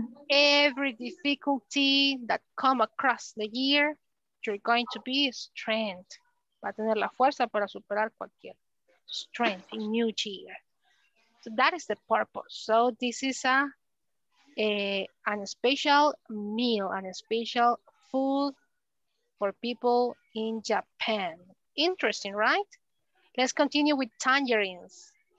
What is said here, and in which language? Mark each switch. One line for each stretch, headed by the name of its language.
English: Every difficulty that come across the year, you're going to be strength.
Spanish: Va a tener la fuerza para superar cualquier.
English: Strength in new year. So that is the purpose. So this is a special meal, a special food for people in Japan. Interesting, right? Let's continue with tangerines.